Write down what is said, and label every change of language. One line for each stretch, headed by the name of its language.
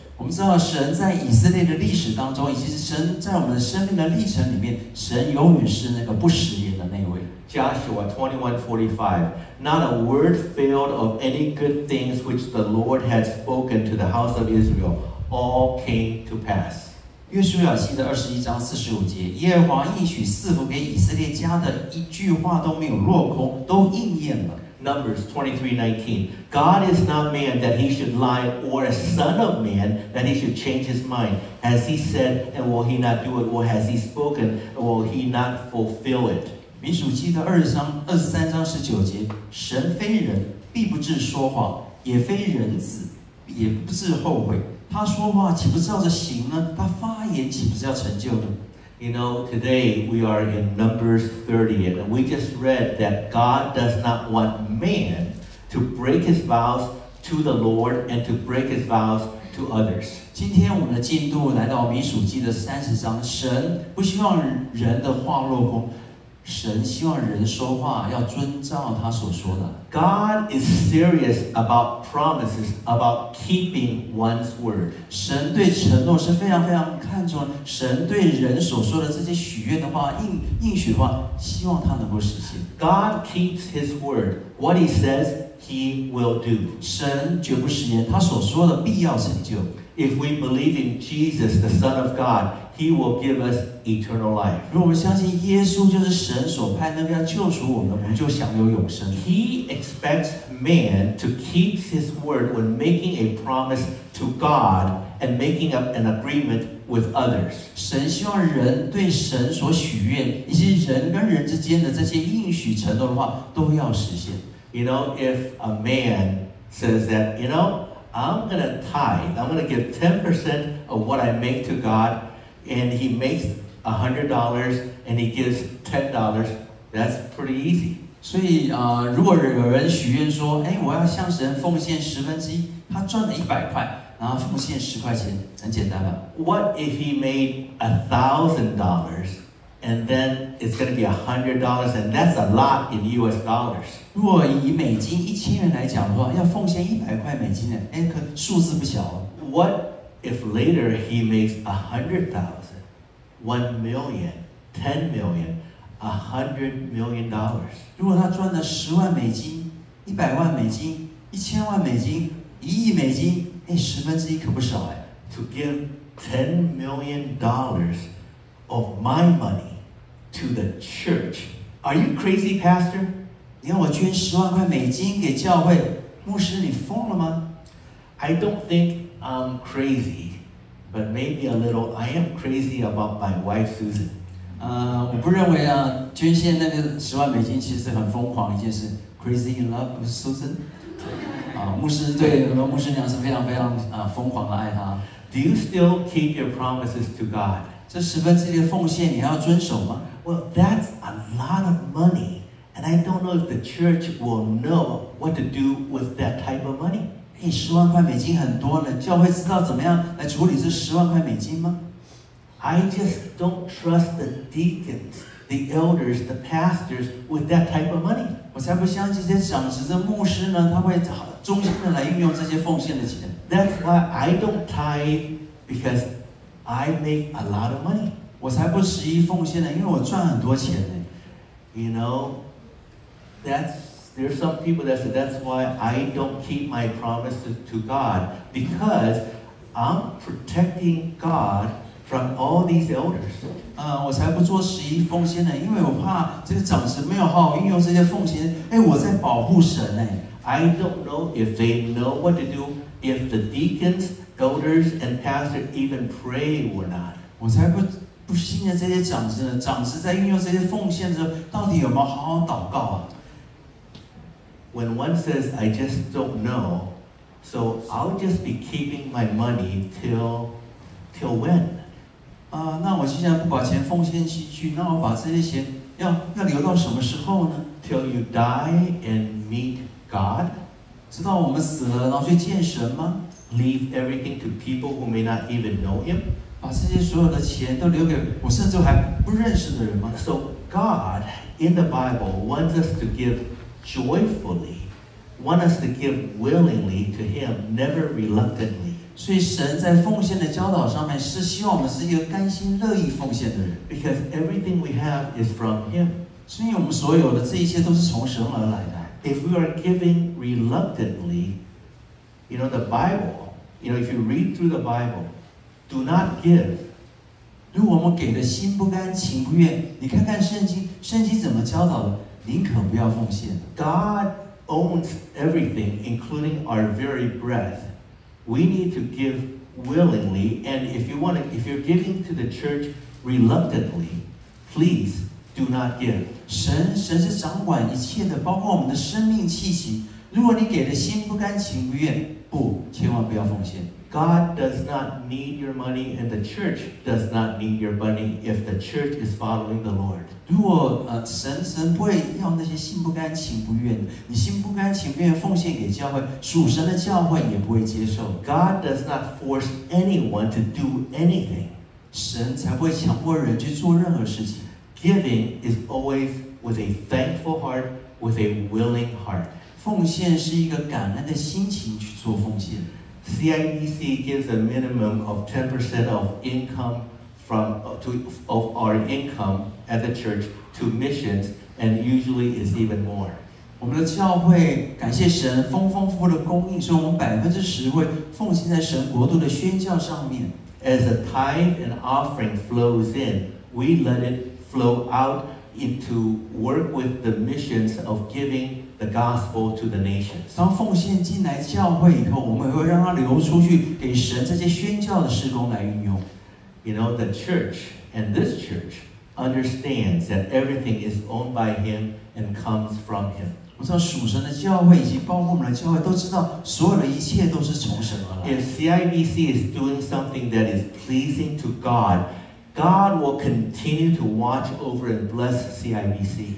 Chinese: 我们知道神在以色列的历史当中，以及神在我们的生命的历程里面，神永远是那个不食言的那位。
English: Joshua 21:45 Not a word failed of any good things which the Lord had spoken to the house of Israel. All came to pass.
Chinese: 约书亚记的21:45耶和华应许赐福给以色列家的一句话都没有落空，都应验了。
English: Numbers 23:19 God is not man that he should lie, or a son of man that he should change his mind. Has he said, and will he not do it? Or has he spoken, and will he not fulfill it?
Chinese: 民数记的23:19神非人，必不至说谎，也非人子，也不至后悔。他说话岂不照着行呢？他发言岂不是要成就的
English: ？You know, today we are in Numbers 30, and we just read that God does not want man to break his vows to the Lord and to break his vows to others.
Chinese: 今天我们的进度来到民数记的30，神不希望人的话落空。神希望人说话要遵照他所说的。
English: God is serious about promises, about keeping one's word.
Chinese: 神对承诺是非常非常看重，神对人所说的这些许愿的话、应许的话，希望他能够实现。
English: God keeps his word. What he says, he will do.
Chinese: 神绝不食言，他所说的必要成就。
English: If we believe in Jesus, the Son of God, He will give us eternal life.
Chinese: 如果我们相信耶稣就是神所派那个要救赎我们，我们就享有永生。
English: He expects man to keep his word when making a promise to God and making up an agreement with others.
Chinese: 神希望人对神所许愿，以及人跟人之间的这些应许承诺的话，都要实现。
English: You know, if a man says that, you know. I'm going to tithe. I'm going to give 10% of what I make to God. And he makes $100 and he gives $10. That's pretty easy.
Chinese: 所以如果有人许愿说我要向神奉献1/10，他赚了100块然后奉献10块钱，很简单吧。
English: What if he made $1,000 and then it's going to be $100, and that's a lot in US dollars.
Chinese: 若以美金一千元来讲的话，要奉献一百块美金呢，哎，可数字不小。
English: What if later he makes $100, $1 million, $10 million, $100 million?
Chinese: 如果他赚了十万美金、一百万美金、一千万美金、一亿美金，哎，十分之一可不少哎。
English: To give $10 million of my money to the church, are you crazy, Pastor?
Chinese: 你要我捐十万块美金给教会，牧师，你疯了吗？
English: I don't think I'm crazy, but maybe a little. I am crazy about my wife Susan.
Chinese: 我不认为啊，捐献那个十万美金其实很疯狂一件事。
English: Crazy in love with Susan.
Chinese: 牧师对牧师娘是非常非常疯狂的爱她。
English: Do you still keep your promises to God?
Chinese: 这十分之一的奉献你要遵守吗？
English: Well, that's a lot of money, and I don't know if the church will know what to do with that type of money.
Chinese: 哎，十万块美金很多呢，教会知道怎么样来处理这十万块美金吗？
English: I just don't trust the deacons, the elders, the pastors with that type of money.
Chinese: 我才不相信这些长执、这牧师呢，他会忠心的来运用这些奉献的钱。
English: That's why I don't tithe, because I make a lot of money.
Chinese: 我才不十一奉献呢，因为我赚很多钱呢。
English: You know, there's some people that say that's why I don't keep my promises to God, because I'm protecting God from all these elders.
Chinese: 我才不做十一奉献呢，因为我怕这个长子没有好好运用这些奉献。哎，我在保护神呢。
English: I don't know if they know what to do. If the deacons, elders, and pastor even pray or not.
Chinese: 我才不信这些长子呢，长子在运用这些奉献的时候，到底有没有好好祷告啊？
English: When one says, I just don't know, so I'll just be keeping my money till when?
Chinese: 那我既然不把钱奉献进去，那我把这些钱要留到什么时候呢？
English: Till you die and meet God?
Chinese: 直到我们死了，然后去见神吗
English: ？Leave everything to people who may not even know him.
Chinese: 把这些所有的钱都留给我甚至还不认识的人吗
English: ？So God in the Bible wants us to give joyfully, wants us to give willingly to Him, never reluctantly.
Chinese: 所以神在奉献的教导上面是希望我们是一个甘心乐意奉献的人。
English: Because everything we have is from Him.
Chinese: 所以我们所有的这一切都是从神而来的。
English: If we are giving reluctantly, you know, the Bible, you know, if you read through the Bible, do not give.
Chinese: 如果我们给的心不甘情不愿，你看看圣经，圣经怎么教导的？宁可不要奉献。
English: God owns everything, including our very breath. We need to give willingly. And if you're giving to the church reluctantly, please. Do not give.
Chinese: 神是掌管一切的，包括我们的生命气息。如果你给的心不甘情不愿，不，千万不要奉献。
English: God does not need your money, and the church does not need your money if the church is following the Lord.
Chinese: 如果神不会要那些心不甘情不愿的，你心不甘情不愿奉献给教会，属神的教会也不会接受。
English: God does not force anyone to do anything.
Chinese: 神才不会强迫人去做任何事情。
English: Giving is always with a thankful heart, with a willing heart.
Chinese: 奉献是一个感恩的心情去做奉献。
English: CIBC gives a minimum of 10% of income of our income at the church to missions, and usually is even more.
Chinese: 我们的教会感谢神丰丰富的供应，所以我们10%会奉献在神国度的宣教上面。
English: As the tithe and offering flows in, we let it. Flow out into work with the missions of giving the gospel to the nations.
Chinese: 当奉献进来教会以后，我们会让它流出去，给神这些宣教的事工来运用。
English: You know, the church and this church understands that everything is owned by Him and comes from Him.
Chinese: 我知道属神的教会以及包括我们的教会都知道，所有的一切都是从神而来。
English: If CIBC is doing something that is pleasing to God. God will continue to watch over and bless CIBC.